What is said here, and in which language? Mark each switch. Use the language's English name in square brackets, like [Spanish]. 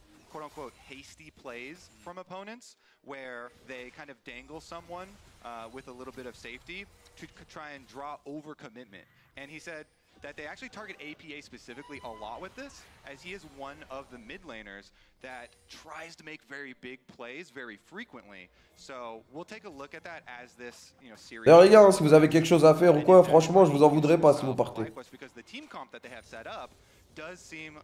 [English] Quote unquote hasty plays from opponents where they kind of dangle someone with a little bit of safety to try and draw over commitment. And he said that they actually target APA specifically a lot with this, as he is one of the mid laners that tries to make very big plays very frequently. So we'll take a look at that as this, you know, series. [French] Alors les gars, si vous avez quelque chose à faire ou quoi, franchement, je vous en voudrais pas si vous partez. [English] Because the team comp that they have set up does seem.